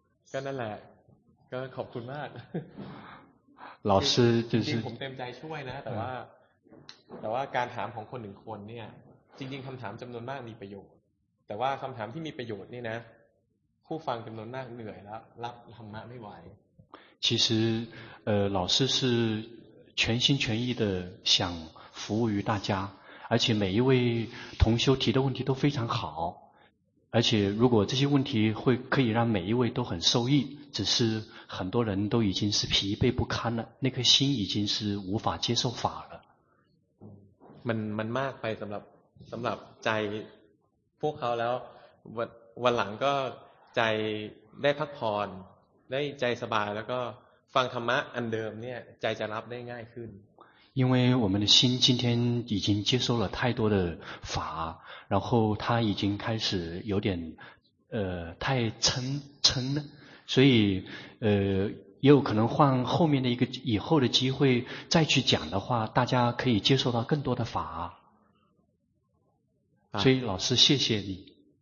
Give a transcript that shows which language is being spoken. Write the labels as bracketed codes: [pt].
[zh] 就那了就 [th] ขอบคุณมาก [zh] 老师就是 [th] จริงผมเต็มใจช่วยนะแต่ว่าการถามของคนหนึ่งคนเนี่ยจริงๆคำถามจำนวนมากมีประโยชน์แต่ว่าคำถามที่มีประโยชน์นี่นะผู้ฟังจำนวนมากเหนื่อยแล้วรับธรรมะไม่ไหว [zh] 其实老师是全心全意的想服务于大家而且每一位同修提的问题都非常好而且如果这些问题会可以让每一位都很受益只是很多人都已经是疲惫不堪了那颗心已经是无法接受法了 [th] มันมากไปสำหรับใจพวกเขาแล้ววันหลังก็ใจได้พักผ่อนได้ใจสบายแล้วก็ฟังธรรมะอันเดิมเนี่ยใจจะรับได้ง่ายขึ้น [zh] 因为我们的心今天已经接受了太多的法然后他已经开始有点太撑了所以也有可能换后面的一个以后的机会再去讲的话大家可以接受到更多的法所以老师谢谢你